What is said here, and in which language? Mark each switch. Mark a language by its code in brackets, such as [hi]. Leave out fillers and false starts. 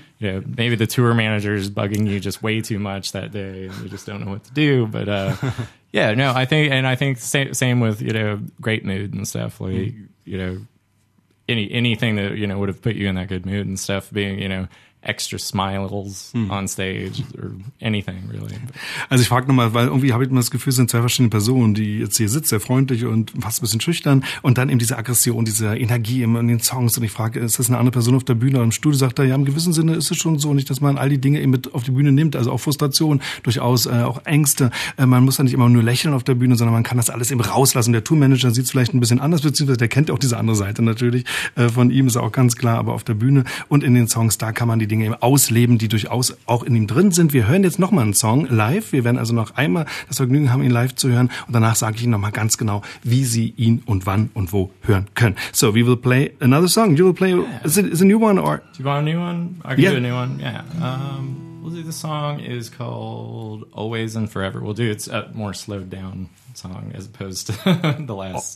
[en] You know, maybe the tour manager is bugging you just way too much that day and you just don't know what to do. But yeah, no, I think same with, you know, great mood and stuff, like, you know, anything that, you know, would have put you in that good mood and stuff, being, you know, extra smiles on stage or anything really. [de] Also ich frage nochmal, weil irgendwie habe ich immer das Gefühl, es sind zwei verschiedene Personen, die jetzt hier sitzt, sehr freundlich und fast ein bisschen schüchtern und dann eben diese Aggression, diese Energie in den Songs und ich frage, ist das eine andere Person auf der Bühne oder im Studio? Sagt er, ja, im gewissen Sinne ist es schon so, nicht, dass man all die Dinge eben mit auf die Bühne nimmt, also auch Frustration, durchaus auch Ängste. Man muss da nicht immer nur lächeln auf der Bühne, sondern man kann das alles eben rauslassen. Der Tourmanager sieht es vielleicht ein bisschen anders, beziehungsweise der kennt auch diese andere Seite natürlich von ihm, ist auch ganz klar, aber auf der Bühne und in den Songs, da kann man die Dinge eben ausleben, die durchaus auch in ihm drin sind. Wir hören jetzt nochmal einen Song live. Wir werden also noch einmal das Vergnügen haben, ihn live zu hören. Und danach sage ich Ihnen nochmal ganz genau, wie Sie ihn und wann und wo hören können. [en] So, we will play another song. You will play, is it a new one or? Do you want a new one? I can do a new one. Yeah. We'll do, the song is called Always and Forever. We'll do, it's a more slowed down song as opposed to the last.